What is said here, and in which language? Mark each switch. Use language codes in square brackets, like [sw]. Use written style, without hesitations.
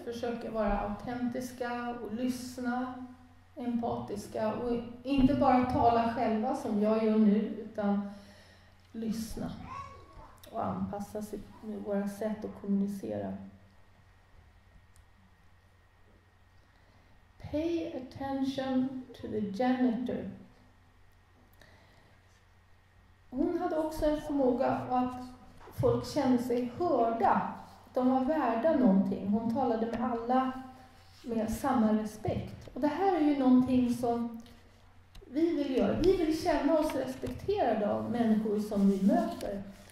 [sv] Försöka vara autentiska och lyssna. Empatiska och inte bara tala själva som jag gör nu, utan lyssna och anpassa sig med våra sätt att kommunicera. [en] Pay attention to the janitor. [sv] Hon hade också en förmåga att folk kände sig hörda. De var värda någonting. Hon talade med alla med samma respekt. Och det här är ju någonting som vi vill göra. Vi vill känna oss respekterade av människor som vi möter.